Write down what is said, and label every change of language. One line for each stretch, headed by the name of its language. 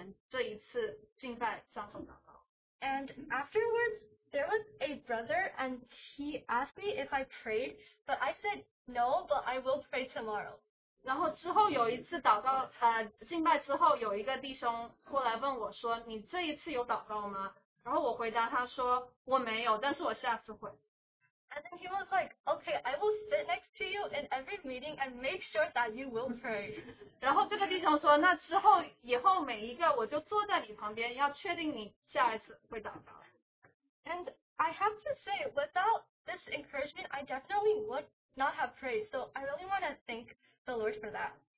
Chinese: 所以每次我们敬拜之前，分享最开始分享的弟兄，总会勉励大家说，如果你们还没有张口祷告，我勉励你们这一次敬拜张口祷告。
English: And afterwards, there was a brother, and he asked me if I prayed, but I said no, but I will pray tomorrow.
Chinese: 然后之后有一次祷告，敬拜之后，有一个弟兄过来问我说：“你这一次有祷告吗？”然后我回答他说：“我没有，但是我下次会。”
English: And then he was like, "Okay, I will sit next to you in every meeting and make sure that you will pray."
Chinese: 然后这个弟兄说：“那之后以后每一个我就坐在你旁边，要确定你下一次会祷告。”
English: And I have to say, without this encouragement, I definitely would not have prayed. So I really want to thank the Lord for that.